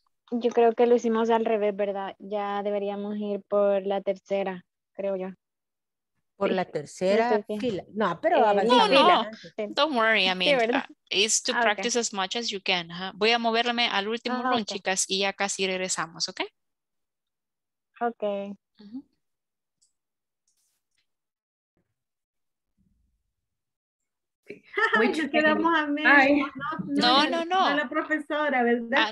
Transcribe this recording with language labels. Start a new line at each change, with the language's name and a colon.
Spanish: Yo creo que lo hicimos al revés, ¿verdad? Ya deberíamos ir por la tercera, creo yo. Por la tercera fila. No, pero no.
English: Don't worry, I mean, it's to practice as much as you can. Huh?
Spanish: Voy a moverme al último round, chicas, y ya casi regresamos, ¿ok? Ok. Which quedamos a medio. No. La profesora, ¿verdad?